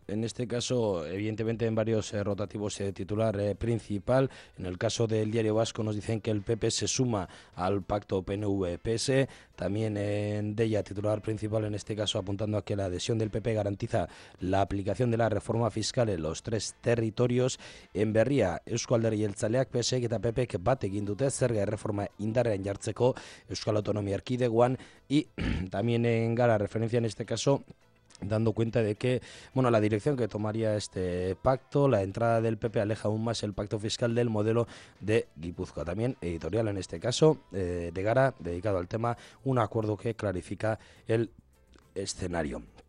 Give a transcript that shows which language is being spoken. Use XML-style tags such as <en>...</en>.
<es>En este caso, evidentemente, en varios rotativos titular principal. En el caso del Diario Vasco nos dicen que el PP se suma al pacto PNV-PSE. También en Deia, titular principal, en este caso apuntando a que la adhesión del PP garantiza la aplicación de la reforma fiscal en los tres territorios.</es> <eu>En Berria, Eusko Alderdi Jeltzaleak PSEek eta PPek bat egin dute zerga erreforma indarrean jartzeko Euskal Autonomia Erkidegoan.</eu> <es>Y también en Gara, referencia en este caso, dando cuenta de que, bueno, la dirección que tomaría este pacto, la entrada del PP aleja aún más el pacto fiscal del modelo de Gipuzkoa. También editorial en este caso, de Gara, dedicado al tema, un acuerdo que clarifica el escenario.</es>